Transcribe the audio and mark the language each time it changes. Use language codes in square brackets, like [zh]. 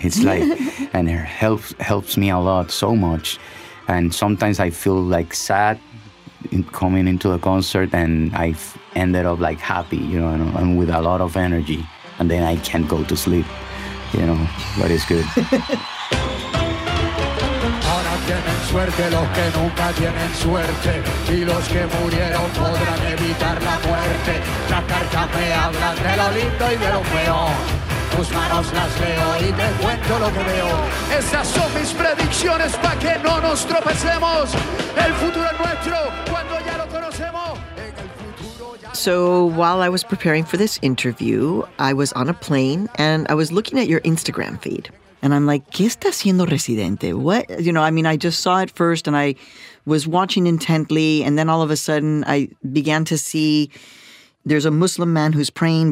[en] It's like, and it helps me a lot, so much. And sometimes I feel like sad, coming into a concert, and I've ended up like happy, you know, and with a lot of energy, and then I can't go to sleep, you know, but it's good. [es] Ahora tienen suerte los que nunca tienen suerte, y los que murieron podrán evitar la muerte. Las cartas me hablan de lo lindo y de lo feo. Tus manos las leo y te cuento lo que veo. Esas son mis predicciones pa' que no nos tropecemos. El futuro es nuestro. [en] So while I was preparing for this interview, I was on a plane and I was looking at your Instagram feed. And I'm like, [es] ¿qué está haciendo Residente? [en] What? You know, I mean, I just saw it first and I was watching intently. And then all of a sudden I began to see there's a Muslim man who's praying.